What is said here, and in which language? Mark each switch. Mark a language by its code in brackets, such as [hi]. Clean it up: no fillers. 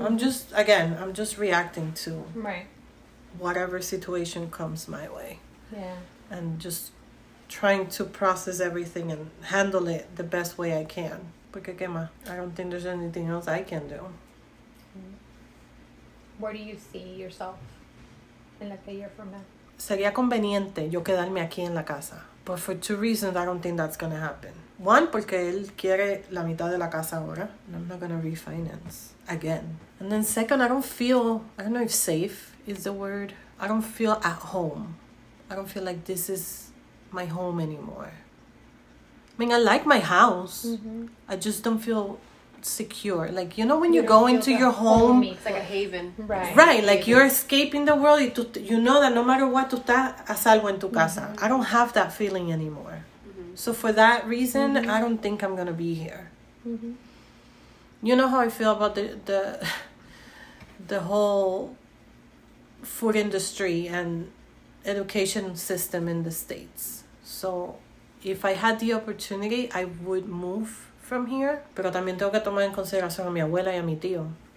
[en] I'm just reacting to whatever situation comes my way. Yeah. And just trying to process everything and handle it the best way I can. [es] Porque que más? [en] I don't think there's anything else I can do. Where do you see yourself in like a year from now? [es] Sería conveniente yo quedarme aquí en la casa. [en] But for two reasons, I don't think that's going to happen. [es] One, porque él quiere la mitad de la casa ahora. [en] And I'm not going to refinance again. And then second, I don't know if safe is the word. I don't feel at home. I don't feel like this is my home anymore. I mean, I like my house. I just don't feel secure. Like, you know when you go into your home. It's like a haven. Right. Like, haven. You're escaping the world. You know that no matter what, [es] tú estás a salvo en tu casa. [en] I don't have that feeling anymore. So for that reason, I don't think I'm going to be here. You know how I feel about the whole food industry and education system in the States. So if I had the opportunity, I would move from here. [es] Pero también tengo que tomar en consideración a mi abuela y a mi tío.